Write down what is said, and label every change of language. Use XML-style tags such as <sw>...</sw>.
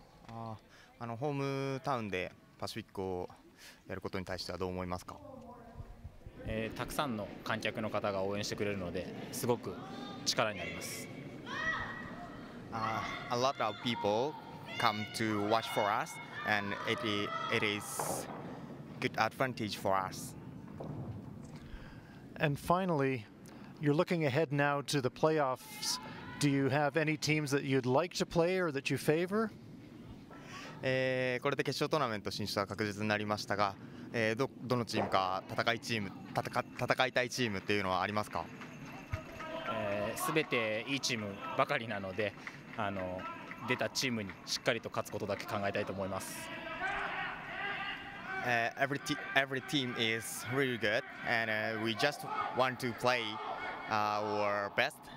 <en>A lot of people come to watch for us, and it is good advantage for us. And finally, you're looking ahead now to the playoffs. Do you have any teams that you'd like to play or that you favor?</en> <ja>これで決勝トーナメント進出は確実になりましたが、どのチームか戦いたいチームっていうのはありますか？すべていいチームばかりなので、出たチームにしっかりと勝つことだけ考えたいと思います。</ja> <en>Every team is really good, and we just want to play our best.</en>